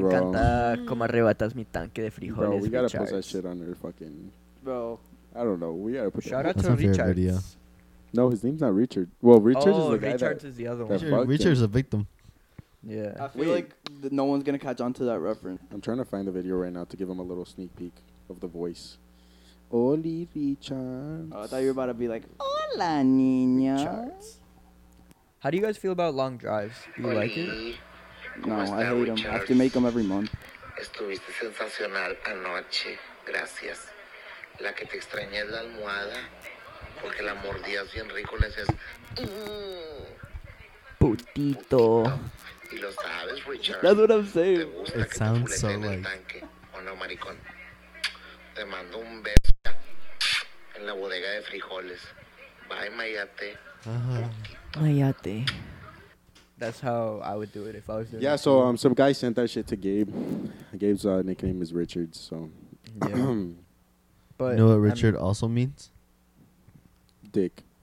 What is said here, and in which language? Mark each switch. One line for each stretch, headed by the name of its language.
Spanish: Me encanta como arrebatas mi tanque de frijoles,
English: Bro, we gotta put that shit on her fucking... Bro. I don't know. We gotta put that. Shout out to Richards. No, his name's not Richard. Well, Richards is the Richards guy. Oh, Richards is the other one. Richards is a victim. Yeah. I feel like no one's going to catch on to that reference. I'm trying to find the video right now to give him a little sneak peek of the voice. Oli Richards. Oh, I thought you were about to be like,
Spanish: hola, niña.
English: Richards. How do you guys feel about long drives? Do you like it? No, I hate them. I have to make them every month.
Spanish: Estuviste sensacional anoche. Gracias. La que te extrañé es la almohada. Porque la mordías bien rico, le decías putito. Y lo sabes, Richard.
English: That's what I'm saying. It sounds so like.
Spanish: O no, maricón. Te mando un beso en la bodega de frijoles. Bye, Mayate. Mayate.
English: That's how I would do it if I was doing. Yeah, so some guy sent that shit to Gabe. Gabe's nickname is Richard, so. But you know what Richard also means? Dick.